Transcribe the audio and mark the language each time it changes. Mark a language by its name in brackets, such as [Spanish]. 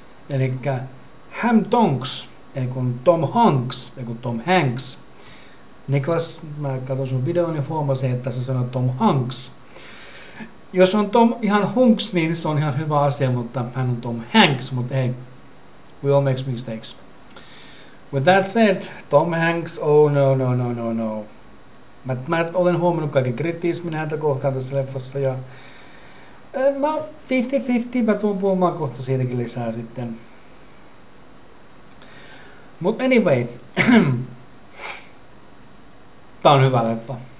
[Finnish] Elikkä Ham Tonks, Tom Hanks. Niklas, mä katsoin sun videon ja huomasin, että sä sanoit Tom Hanks. Jos on Tom ihan Hunks, niin se on ihan hyvä asia, mutta hän on Tom Hanks, mutta [English] hey, we all make mistakes. With that said, Tom Hanks, oh no. [Finnish] Mä olen huomannut kaiken kritismin häntä kohtaan tässä leffassa ja mä 50-50, mä tuun puhumaan kohta siitäkin lisää sitten. Mut anyway, tää on hyvä leffa.